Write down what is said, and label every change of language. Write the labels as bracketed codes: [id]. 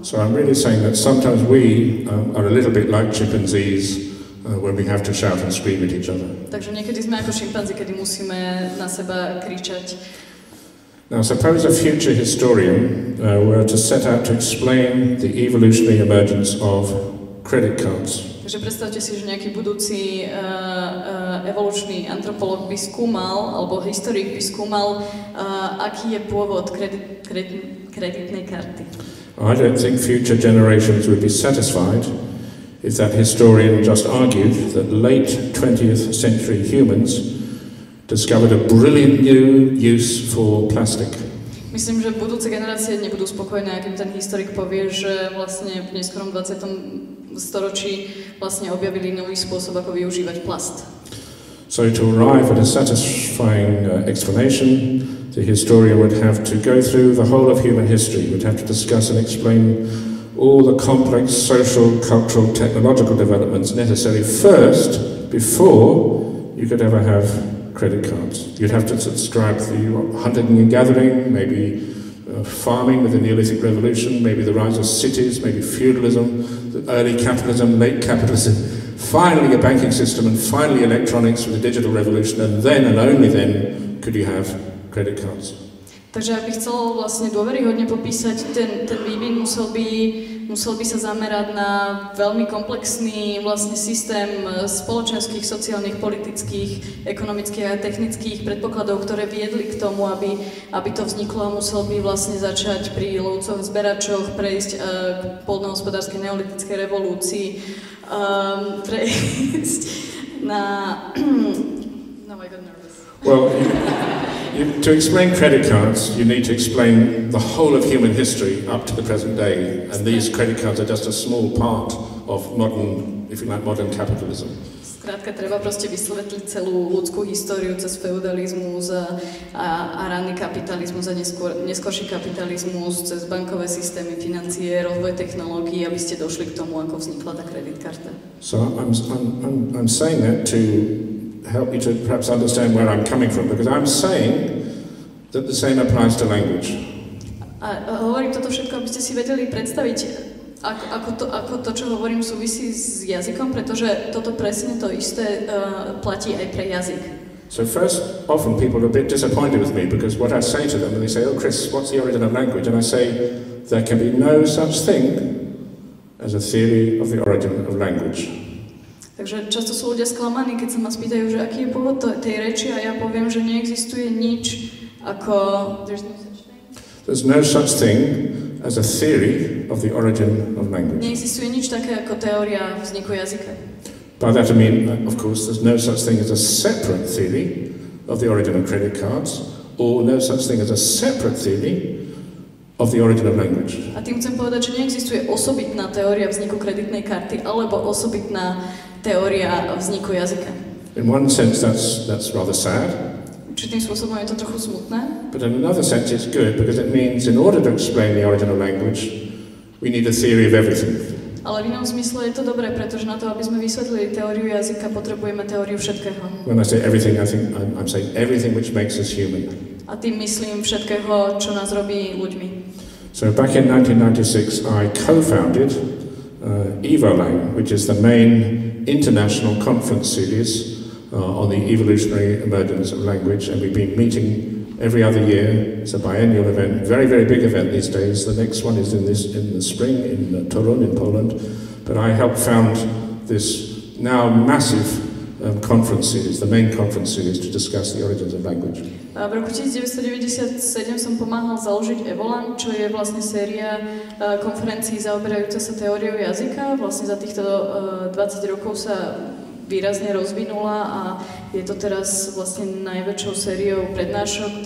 [en] So I'm really saying that sometimes we are a little bit like chimpanzees when we have to shout and scream at each other. [sk] Takže niekedy sme ako šimpanzi, kedy musíme na seba kričať. [en] Now suppose a future historian were to set out to explain the evolutionary emergence of credit cards. [sk] Takže predstavte si, že nejaký budúci evolučný antropolog by skúmal, alebo historik by skúmal, aký je pôvod kreditnej karty. [en] I don't think future generations would be satisfied if that historian just argued that late 20th century humans discovered a brilliant new use for plastic. [sk] Myslím, že budúce generácie nebudú spokojné, ak im ten historik povie, že vlastne v neskorom 20. storočí vlastne objavili nový spôsob, ako využívať plast. [en] So to arrive at a satisfying explanation, the historian would have to go through the whole of human history, would have to discuss and explain all the complex social, cultural, technological developments necessary first before you could ever have credit cards. You'd have to subscribe to hunting and gathering, maybe farming with the Neolithic Revolution, maybe the rise of cities, maybe feudalism, the early capitalism, late capitalism, finally a banking system, and finally electronics with the digital revolution, and then and only then could you have credit cards. [sk] Takže ja by chcel vlastne dôveryhodne popísať, ten vývin musel by sa zamerať na veľmi komplexný vlastne systém spoločenských, sociálnych, politických, ekonomických a technických predpokladov, ktoré viedli k tomu, aby to vzniklo, a musel by vlastne začať pri lovcoch, zberačoch, prejsť k poľnohospodárskej neolitickej revolúcii, prejsť na... [en] Now I got nervous. Well, to explain credit cards, you need to explain the whole of human history up to the present day, and these credit cards are just a small part of modern, if you like, modern capitalism. [sk] Skrátka, treba proste vysvetliť celú ľudskú históriu cez feudalizmus a ranný kapitalizmus a neskorší kapitalizmus, cez bankové systémy, financie, rozvoj technológií, aby ste došli k tomu, ako vznikla tá credit karta. [en] So I'm saying that to help you to perhaps understand where I'm coming from, because I'm saying that the same applies to language. [sk] A hovorím toto všetko, aby ste si vedeli predstaviť, ako to, čo hovorím, súvisí s jazykom, pretože toto presne to isté platí aj pre jazyk. [en] So first, often people are a bit disappointed with me, because what I say to them, and they say, oh Chris, what's the origin of language? And I say, there can be no such thing as a theory of the origin of language. [sk] Takže často sú ľudia sklamaní, keď sa ma spýtajú, že aký je pôvod tej reči, a ja poviem, že neexistuje nič ako... [en] There's no such thing as a theory of the origin of language. [sk] Neexistuje nič také ako teória vzniku jazyka. [en] By that I mean, of course, there's no such thing as a separate theory of the origin of credit cards, or no such thing as a separate theory of the origin of language. [sk] A tým chcem povedať, že neexistuje osobitná teória vzniku kreditnej karty, alebo osobitná teória vzniku jazyka. [en] In one sense, that's rather sad. [sk] Určitým spôsobom je to trochu smutné. [en] But in another sense, it's good, because it means in order to explain the origin of language, we need a theory of everything. [sk] Ale v inom zmysle je to dobré, pretože na to, aby sme vysvetlili teóriu jazyka, potrebujeme teóriu všetkého. [en] When I say everything, I think I'm saying everything which makes us human. [sk] A tým myslím všetkého, čo nás robí ľuďmi. [en] So back in 1996, I co-founded EvoLang, which is the main international conference series on the evolutionary emergence of language, and we've been meeting every other year. It's a biennial event, very, very big event these days. The next one is in the spring in Torun in Poland, but I helped found this now massive conference series, the main conference series, to discuss the origins of language. [sk] V roku 1997 som pomáhal založiť EvoLang, čo je vlastne séria konferencií zaoberajúca sa teóriou jazyka. Vlastne za týchto 20 rokov sa výrazne rozvinula a je to teraz vlastne najväčšou sériou prednášok.